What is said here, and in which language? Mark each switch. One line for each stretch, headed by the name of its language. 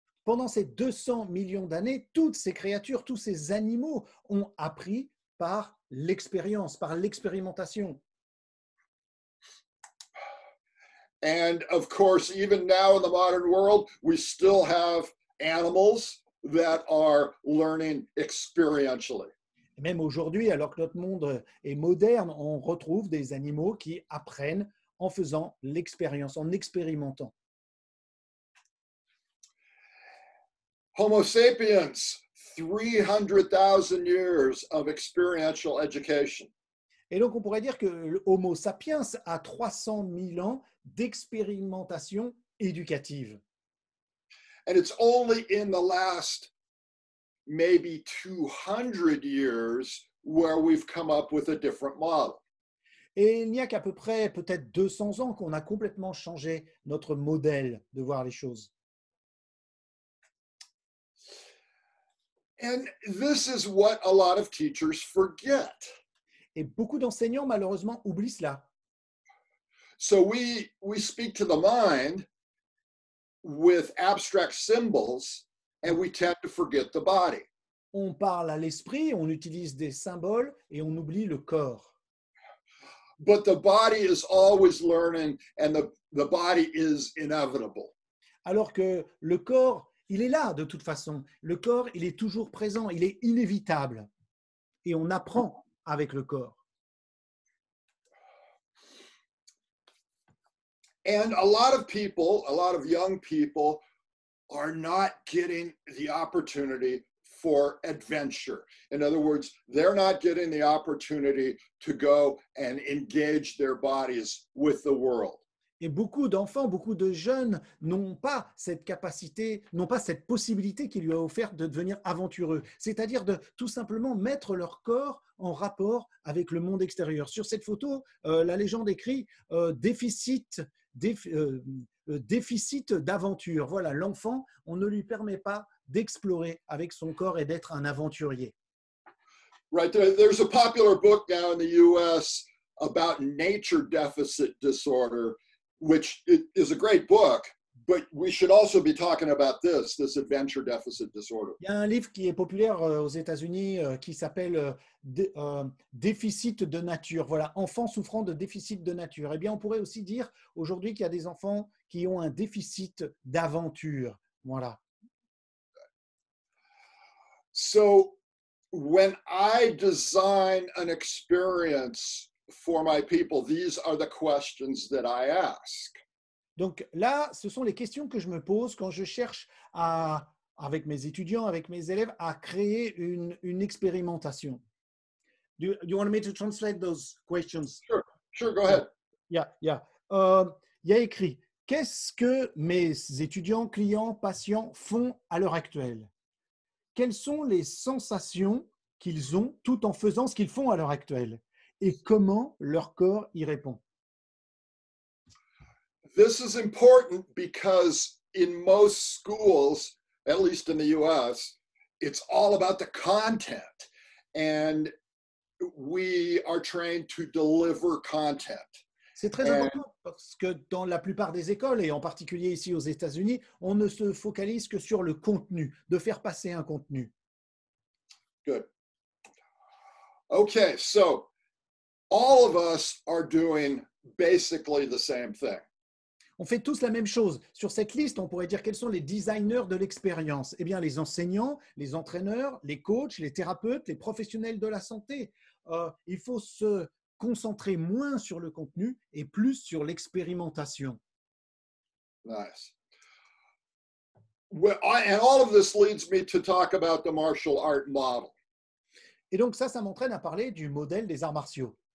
French: Pendant ces 200 millions d'années, toutes ces créatures, tous ces animaux ont appris par l'expérience, par l'expérimentation.
English: And of course, even now in the modern world, we still have animals that are learning experientially.
French: Même aujourd'hui, alors que notre monde est moderne, on retrouve des animaux qui apprennent en faisant l'expérience, en expérimentant.
English: Homo sapiens, 300,000 years of experiential education.
French: Et donc, on pourrait dire que Homo sapiens a 300 000 ans d'expérimentation éducative.
English: And it's only in the last maybe 200 years where we've come up with a different model.
French: Et il n'y a qu'à peu près peut-être 200 ans qu'on a complètement changé notre modèle de voir les choses.
English: And this is what a lot of teachers forget.
French: Et beaucoup d'enseignants, malheureusement, oublient cela.
English: So we speak to the mind with abstract symbols, and we tend to forget the body.
French: On parle à l'esprit, on utilise des symboles et on oublie le corps.
English: But the body is always learning, and the body is inevitable.
French: Alors que le corps, il est là de toute façon. Le corps, il est toujours présent, il est inévitable. Et on apprend avec le corps.
English: And a lot of people, a lot of young people, are not getting the opportunity for adventure. In other words, they're not getting the opportunity to go and engage their bodies with the world.
French: Et beaucoup d'enfants, beaucoup de jeunes n'ont pas cette capacité, n'ont pas cette possibilité qui lui a offert de devenir aventureux, c'est-à-dire de tout simplement mettre leur corps en rapport avec le monde extérieur. Sur cette photo, la légende écrit déficit d'aventure. Voilà, l'enfant, on ne lui permet pas d'explorer avec son corps et d'être un aventurier.
English: Right, there's a popular book now in the US about nature deficit disorder. Which is a great book, but we should also be talking about this adventure deficit disorder.
French: Il y a un livre qui est populaire aux États-Unis qui s'appelle Déficit de nature. Voilà, enfants souffrant de déficit de nature. Eh bien, on pourrait aussi dire aujourd'hui qu'il y a des enfants qui ont un déficit d'aventure. Voilà.
English: So, when I design an experience for my people, these are the questions that I ask.
French: Donc là, ce sont les questions que je me pose quand je cherche à, avec mes étudiants, avec mes élèves, à créer une expérimentation.
English: Do you want me to translate those questions? Sure, go ahead. Yeah.
French: Il y a écrit, qu'est-ce que mes étudiants, clients, patients font à l'heure actuelle? Quelles sont les sensations qu'ils ont tout en faisant ce qu'ils font à l'heure actuelle? Et comment leur corps y répond?
English: This is important because in most schools, at least in the US, it's all about the content. And we are trained to deliver content.
French: C'est très important parce que dans la plupart des écoles, et en particulier ici aux États-Unis, on ne se focalise que sur le contenu, de faire passer un contenu.
English: Good. Okay, so. All of us are doing basically the same thing.
French: On fait tous la même chose. Sur cette liste, on pourrait dire quels sont les designers de l'expérience. Eh bien, les enseignants, les entraîneurs, les coachs, les thérapeutes, les professionnels de la santé. Il faut se concentrer moins sur le contenu et plus sur l'expérimentation.
English: Nice. Well, and all of this leads me to talk about the martial art model.
French: Et donc ça m'entraîne à parler du modèle des arts martiaux.